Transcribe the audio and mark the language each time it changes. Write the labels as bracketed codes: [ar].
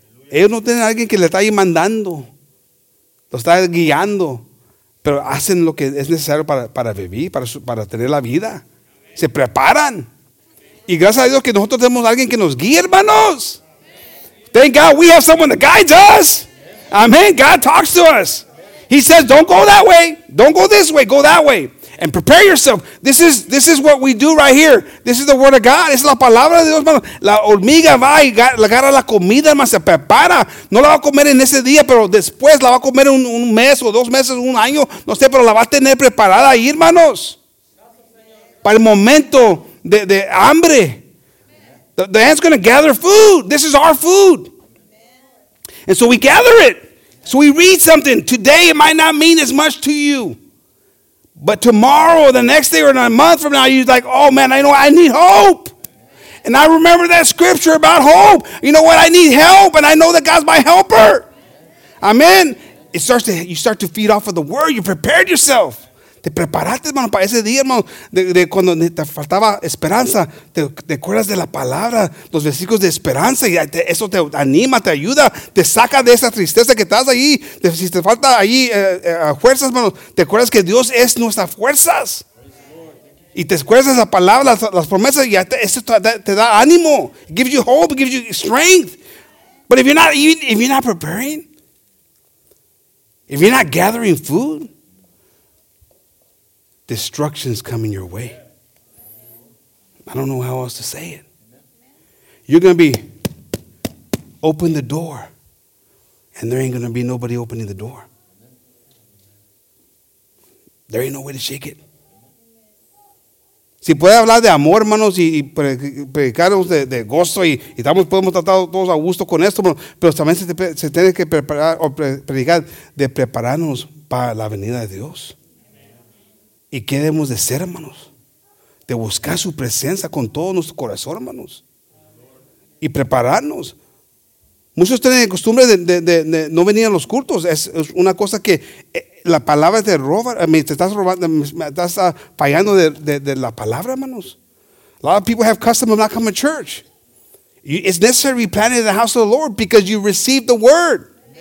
[es] Ellos no tienen alguien que le está ahí mandando. Lo está guiando. Pero hacen lo que es necesario para vivir, para tener la vida. Se preparan. Y gracias a Dios que nosotros tenemos alguien que nos guíe, hermanos. [en] Thank God we have someone that guides us. Amen. God talks to us. He says, don't go that way. Don't go this way. Go that way. And prepare yourself. This is what we do right here. This is the word of God. [es] Es la palabra de Dios, hermano. La hormiga va y agarra la comida, hermano. Se prepara. No la va a comer en ese día, pero después la va a comer un mes o dos meses, un año. No sé, pero la va a tener preparada ahí, hermanos. Para el momento de hambre. [en] The ant's going to gather food. This is our food. And so we gather it. So we read something. Today it might not mean as much to you. But tomorrow, the next day, or in a month from now, you're like, oh man, I know I need hope. And I remember that scripture about hope. You know what? I need help. And I know that God's my helper. Amen. You start to feed off of the word. You prepared yourself. [es] Te preparaste, hermano, para ese día, hermano, de cuando te faltaba esperanza. Te acuerdas de la palabra, los versículos de esperanza, y eso te anima, te ayuda, te saca de esa tristeza que estás ahí. Si te falta ahí fuerzas, hermano, te acuerdas que Dios es nuestras fuerzas. Y te acuerdas de esa palabra, las promesas, y eso te da ánimo. [en] Gives you hope, gives you strength. But if you're not preparing, if you're not gathering food, destruction's coming your way. I don't know how else to say it. You're going to be open the door, and there ain't going to be nobody opening the door. There ain't no way to shake it. [es] Si puede hablar de amor, hermanos, y predicarnos de gozo, y estamos, podemos tratar todos a gusto con esto, pero también se tiene que preparar o predicar de prepararnos para la venida de Dios. ¿Y qué debemos de ser, hermanos? De buscar su presencia con todo nuestro corazón, hermanos. Y prepararnos. Muchos tienen la costumbre de no venir a los cultos. Es una cosa que la palabra te roba. Te estás fallando de la palabra, hermanos. [en] A lot of people have custom of not coming to church. It's necessary to be planted in the house of the Lord because you received the word.